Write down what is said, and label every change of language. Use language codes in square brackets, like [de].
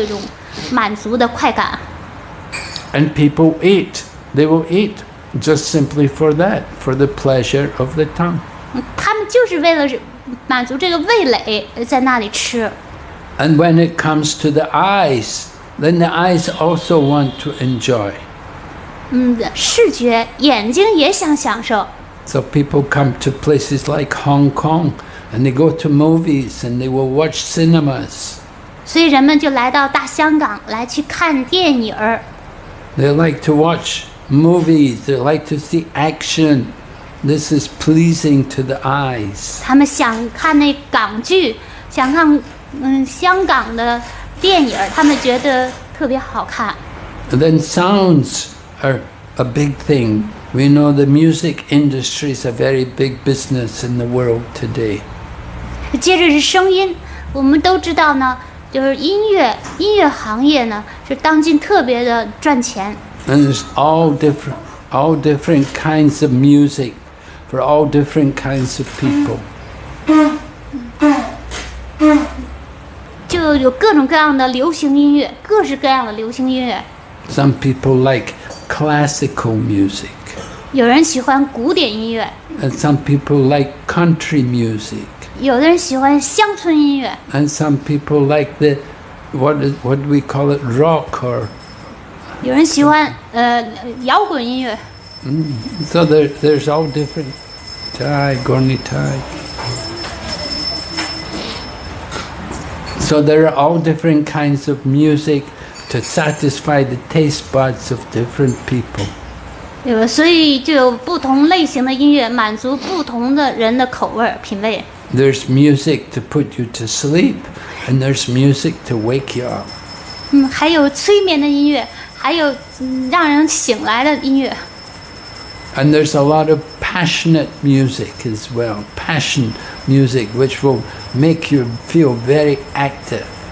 [zh] 这是一种短暂的一种快感，是来自于舌头的一种满足的快感。 [en] And people eat, they will eat just simply for that, for the pleasure of the tongue. [zh] 他们就是为了满足这个味蕾在那里吃。 [en] And when it comes to the eyes, then the eyes also want to enjoy. [zh] 视觉眼睛也想享受。 [en] So people come to places like Hong Kong and they go to movies and they will watch cinemas. [zh] 所以人们就来到大香港来去看电影。 [en] They like to watch movies, they like to see action. This is pleasing to the eyes. [zh] 他们想看那港剧，想看香港的电影，他们觉得特别好看。 [en] And then sounds are a big thing. We know the music industry is a very big business in the world today. [zh] 接着是声音，我们都知道呢。就是音乐行业呢，是当今特别的赚钱。 [en] And it's all different kinds of music for all different kinds of people. [zh] 就有各种各样的流行音乐，各式各样的流行音乐。 [en] Some people like classical music. [zh] 有人喜欢古典音乐。 [en] And some people like country music. [zh] 有的人喜欢乡村音乐。 [en] And some people like the, what do we call it, rock or... [zh] 有人喜欢摇滚音乐。 [en] So there's all different... Tai, Gorni Tai. So there are all different kinds of music to satisfy the taste buds of different people. [zh] 所以就有不同类型的音乐满足不同的人的口味品味。 [en] There's music to put you to sleep, and there's music to wake you up. [zh] 还有催眠的音乐，还有让人醒来的音乐。 [en] And there's a lot of passionate music as well, passion music, which will make you feel very active.